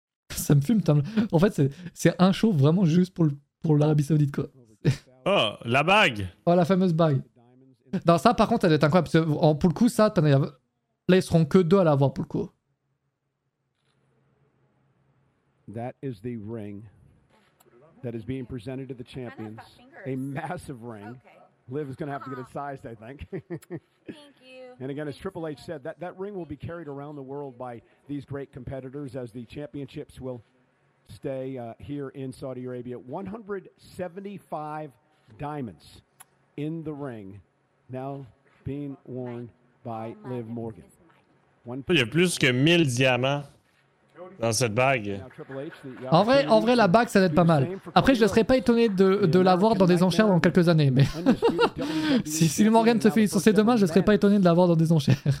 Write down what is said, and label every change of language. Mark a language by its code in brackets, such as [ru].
[fr] Ça me fume, Tom. En fait, c'est un show vraiment juste pour l'Arabie Saoudite, quoi. Oh, la bague! Oh, la fameuse bague. Non, ça, par contre, elle est incroyable. Parce que, pour le coup, ça, t'en as... Là, ils seront que deux à l'avoir, pour le coup. [en] That is the ring that is being presented to the champions. A massive ring. Okay. Liv is going to have to get it sized, I think. And again, as Triple H said, that ring will be carried around the world by these great competitors as the championships will stay here in Saudi Arabia. 175 diamonds in the ring now being worn by Liv Morgan. [fr] Il y a plus que 1000 diamants dans cette bague. En vrai, la bague, ça doit être pas mal. Après, je ne serais pas étonné de l'avoir dans des enchères dans quelques années. Mais si Morgan se fait licencier demain, je ne serais pas étonné de l'avoir dans des enchères.